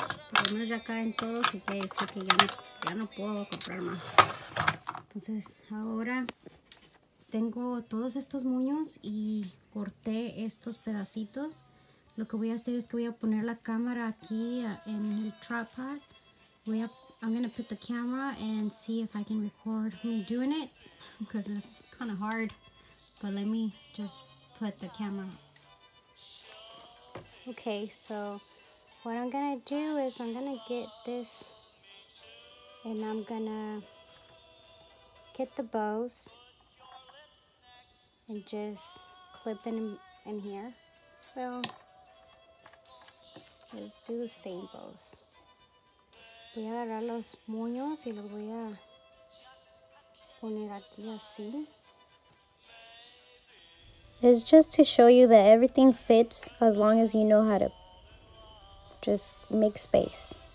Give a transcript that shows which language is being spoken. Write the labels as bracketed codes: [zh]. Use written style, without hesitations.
[es] Por lo menos ya caen todos y quiere decir que ya no puedo comprar más. Entonces ahora tengo todos estos moños y corté estos pedacitos. Lo que voy a hacer es que voy a poner la cámara aquí en el tripod. [en] I'm going to put the camera and see if I can record me doing it, because it's kind of hard, but let me just put the camera. Okay, so what I'm going to do is I'm going to get this and I'm going to get the bows and just clip in here. Well, let's do the same bows. [es] Voy a agarrar los moños y los voy a poner aquí así. [en] It's just to show you that everything fits as long as you know how to just make space.